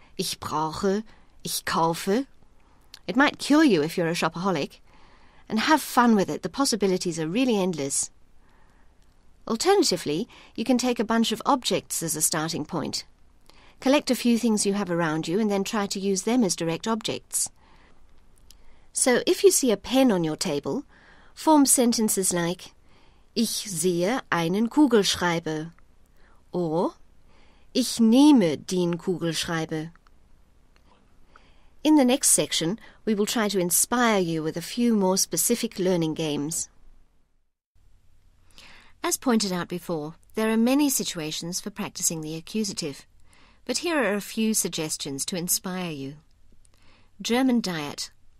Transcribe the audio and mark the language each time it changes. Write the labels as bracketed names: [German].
[German] Ich brauche, ich kaufe. [English] It might cure you if you're a shopaholic. And have fun with it. The possibilities are really endless. Alternatively, you can take a bunch of objects as a starting point. Collect a few things you have around you and then try to use them as direct objects. So if you see a pen on your table, form sentences like [German] Ich sehe einen Kugelschreiber, [English] or [German] Ich nehme den Kugelschreiber. [English] In the next section, we will try to inspire you with a few more specific learning games. As pointed out before, there are many situations for practicing the accusative, but here are a few suggestions to inspire you. German diet.